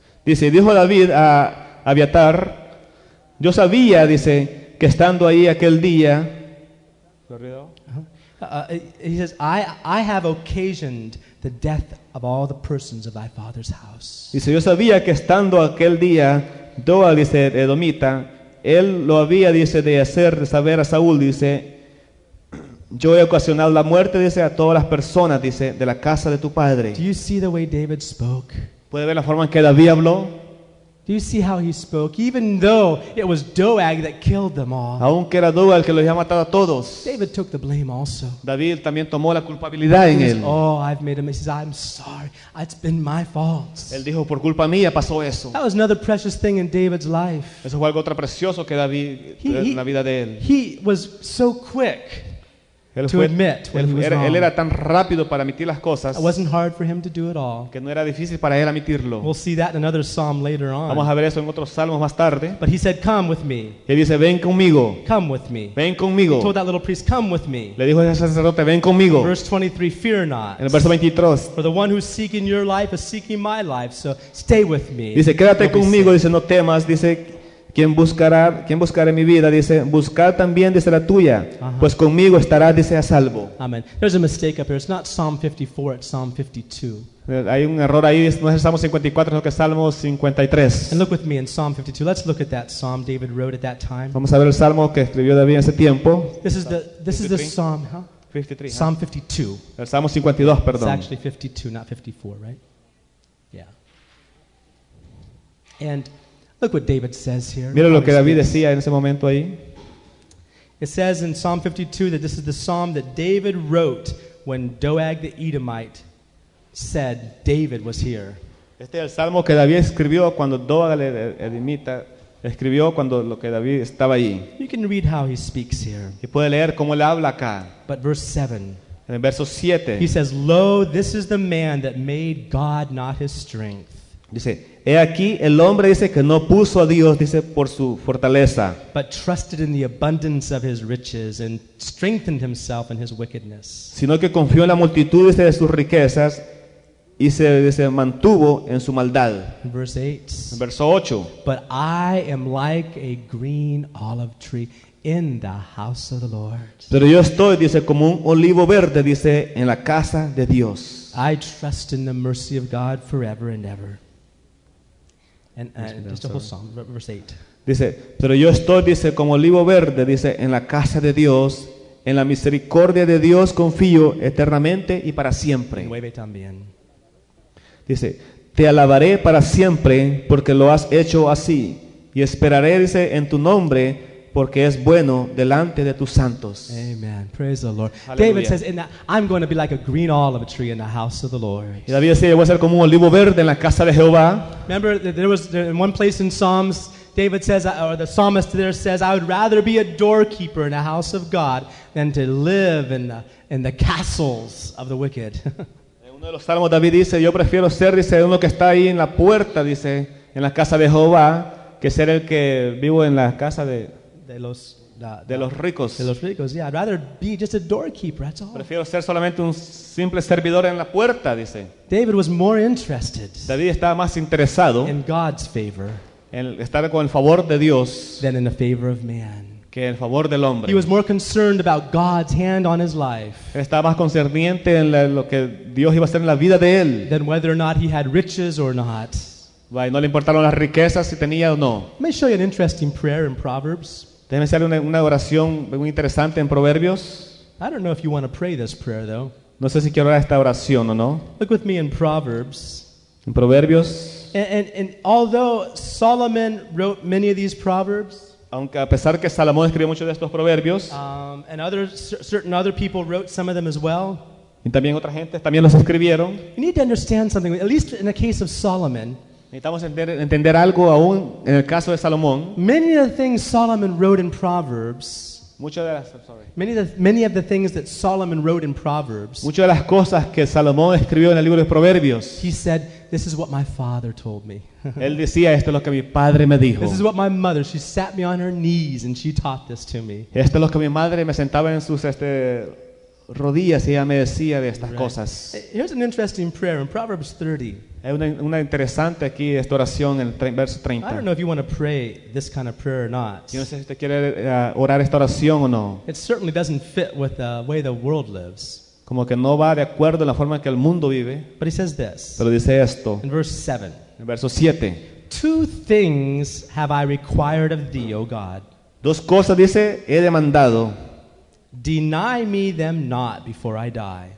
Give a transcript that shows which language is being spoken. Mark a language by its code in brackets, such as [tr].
[es] Dice, dijo David a Abiatar, yo sabía, dice, que estando ahí aquel día. [en] He says, I have occasioned the death of all the persons of thy father's house. [es] Dice, yo sabía que estando aquel día, Doa, dice, Edomita, él lo había, dice, de hacer de saber a Saúl, dice, yo he ocasionado la muerte, dice, a todas las personas, dice, de la casa de tu padre. [en] Do you see the way David spoke? [es] ¿Puede ver la forma en que David habló? [en] Do you see how he spoke? Even though it was Doeg that killed them all. [es] Aunque era Doeg el que los había matado a todos. [en] David took the blame also. [es] David también tomó la culpabilidad en él. [en] Oh, I've made a mistake. I'm sorry. It's been my fault. [es] Él dijo, por culpa mía pasó eso. [en] That was another precious thing in David's life. [es] Eso fue algo otro precioso que David en la vida de él. [en] He was so quick. [es] Él era tan rápido para admitir las cosas. [en] It wasn't hard for him to do it all. [es] Que no era difícil para él admitirlo. [en] We'll see that in another psalm later on. [es] Vamos a ver eso en otros salmos más tarde. [en] But he said, "Come with me." [es] Él dice, ven conmigo. [en] Come with me. [es] Ven conmigo. [en] He told that little priest, "Come with me." [es] Le dijo a ese sacerdote, ven conmigo. [en] Verse 23, "Fear not." [es] En el verso 23. [en] For the one who's seeking your life is seeking my life, so stay with me. [es] Dice, quédate conmigo. Dice, no temas. Dice, ¿Quién buscará mi vida? Dice, buscar también, dice, la tuya. Uh-huh. Pues conmigo estarás, dice, a salvo. [en] Amen. There's a mistake up here. It's not Psalm 54, it's Psalm 52. [es] Hay un error ahí. No es el Salmo 54, sino que es Salmo 53. [en] And look with me in Psalm 52. Let's look at that Psalm David wrote at that time. [es] Vamos a ver el Salmo que escribió David en ese tiempo. [en] This is the Psalm, huh? 53. Psalm 52. [es] El Salmo 52, perdón. [en] It's actually 52, not 54, right? Yeah. And look what David says here. [es] Mira lo que David decía en ese momento ahí. [en] It says in Psalm 52 that this is the psalm that David wrote when Doeg the Edomite said David was here. [es] Este es el salmo que David escribió cuando Doeg el Edomita escribió cuando lo que David estaba allí. [en] You can read how he speaks here. [es] Y puede leer cómo él habla acá. [en] But verse 7. [es] En el verso 7. [en] He says, "Lo, this is the man that made God not his strength." [es] Dice, he aquí el hombre dice que no puso a Dios dice por su fortaleza. [en] But trusted in the abundance of his riches and strengthened himself in his wickedness. [es] Sino que confió en la multitud de sus riquezas y se mantuvo en su maldad. [en] Verse 8. [es] Verso 8. [en] But I am like a green olive tree in the house of the Lord. [es] Pero yo estoy dice como un olivo verde dice en la casa de Dios. [en] I trust in the mercy of God forever and ever. And just a whole song, verse 8. [es] Dice, pero yo estoy, dice, como olivo verde, dice, en la casa de Dios, en la misericordia de Dios confío eternamente y para siempre. Nueve también. Dice, te alabaré para siempre porque lo has hecho así y esperaré, dice, en tu nombre porque es bueno delante de tus santos. [en] Amen. Praise the Lord. Hallelujah. David says, in that, I'm going to be like a green olive tree in the house of the Lord. [es] Y David dice, voy a ser como un olivo verde en la casa de Jehová. [en] Remember, there was in one place in Psalms, David says, or the psalmist there says, I would rather be a doorkeeper in the house of God than to live in the castles of the wicked. [es] En uno de los salmos, David dice, yo prefiero ser, dice, uno que está ahí en la puerta, dice, en la casa de Jehová, que ser el que vivo en la casa de los ricos. De los ricos, [en] yeah. I'd rather be just a doorkeeper, that's all. [es] Prefiero ser solamente un simple servidor en la puerta, dice. [en] David was more interested. [es] David estaba más interesado [en] in God's favor. [es] En estar con el favor de Dios. [en] Than in the favor of man. [es] Que el favor del hombre. [en] He was more concerned about God's hand on his life. [es] Estaba más concerniente en lo que Dios iba a hacer en la vida de él. [en] Than whether or not he had riches or not. [es] No le importaron las riquezas si tenía o no. [en] Let me show you an interesting prayer in Proverbs. [es] Déjeme hacerle una oración muy interesante en Proverbios. [en] I don't know if you want to pray this prayer though. [es] No sé si quiero orar esta oración o no. [en] Look with me in Proverbs. [es] En Proverbios. [en] And although Solomon wrote many of these proverbs, [es] aunque a pesar que Salomón escribió muchos de estos proverbios, [en] and others, certain other people wrote some of them as well. [es] Y también otra gente también los escribieron. [en] You need to understand something. At least in the case of Solomon. [es] Necesitamos entender algo aún en el caso de Salomón. [en] Many of the things Solomon wrote in Proverbs. Many of the things that Solomon wrote in Proverbs. [es] Muchas de las cosas que Salomón escribió en el libro de Proverbios. [en] He said, "This is what my father told me." [es] Él decía, esto es lo que mi padre me dijo. [en] This is what my mother. She sat me on her knees and she taught this to me. [es] Esto es lo que mi madre me sentaba en sus rodillas y ella me decía de estas cosas. [en] Here's an interesting prayer in Proverbs 30. [es] Hay una interesante aquí esta oración en el verso 30. [en] I don't know if you want to pray this kind of prayer or not. [es] Yo no sé si usted quiere orar esta oración o no. [en] It certainly doesn't fit with the way the world lives. [es] Como que no va de acuerdo en la forma en que el mundo vive. [en] But he says this. [es] Pero dice esto. [en] In verse 7. [es] En verso 7. [en] Two things have I required of thee, O God. [es] Dos cosas dice he demandado. [en] Deny me them not before I die.